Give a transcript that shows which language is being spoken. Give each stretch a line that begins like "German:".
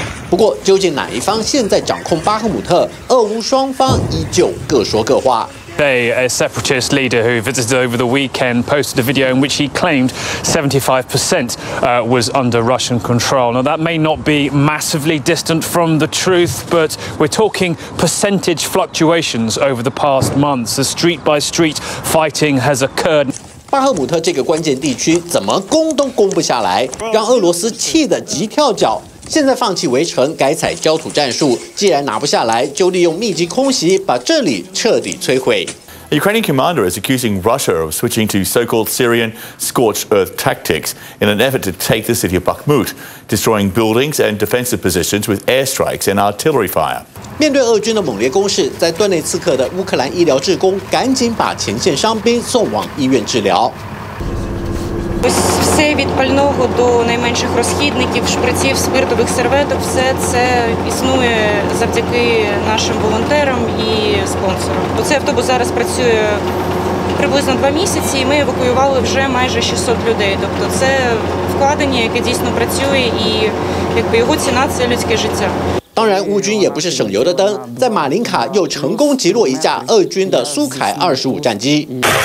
Chinese: 不过究竟哪一方现在掌控巴赫姆特，俄乌双方依旧各说各话。
English: A separatist leader who visited over the weekend posted a video in which he claimed 75% was under Russian control. Now that may not be massively distant from the truth, but we're talking percentage fluctuations over the past months. The street by street fighting has occurred.
Chinese: 巴赫姆特这个关键地区怎么攻都攻不下来，让俄罗斯气得急跳脚。现在放弃围城，改采焦土战术。既然拿不下来，就利用密集空袭把这里彻底摧毁。
English: A Ukrainian commander is accusing Russia of switching to so-called Syrian scorched earth tactics in an effort to take the city of Bakhmut, destroying buildings and defensive positions with airstrikes and artillery fire.
Chinese: 面对俄军的猛烈攻势，在顿内茨克的乌克兰医疗志工赶紧把前线伤兵送往医院治疗。
Ukrainian: Все від пального до найменших розхідників, шприців, спиртових серветок, все це існує завдяки нашим волонтерам і спонсорам. Оцей автобус зараз працює приблизно 2 місяці, і ми евакуювали вже майже 600 людей. Тобто це вкладення, яке дійсно працює, і якби його ціна – це людське життя.
Chinese: 当然，乌军也不是省油的灯，在马林卡又成功击落一架俄军的苏凯25战机。